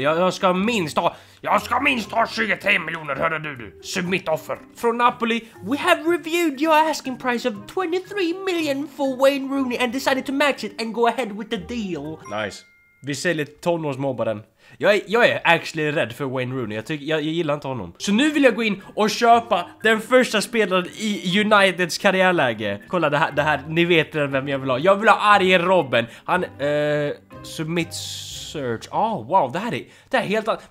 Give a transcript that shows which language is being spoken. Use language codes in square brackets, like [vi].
[sv] Jag ska minst ha 23 miljoner, hörde du. Submit offer. Från Napoli. [en] We have reviewed your asking price of 23 million for Wayne Rooney and decided to match it and go ahead with the deal. Nice. [sv] Vi säljer tonårsmobbaren. Jag är actually rädd för Wayne Rooney. Jag gillar inte honom. Så nu vill jag gå in och köpa den första spelaren i Uniteds karriärläge. Kolla det här, ni vet redan vem jag vill ha. Jag vill ha Arjen Robben. Han, submit search. Oh wow, det här är helt annat.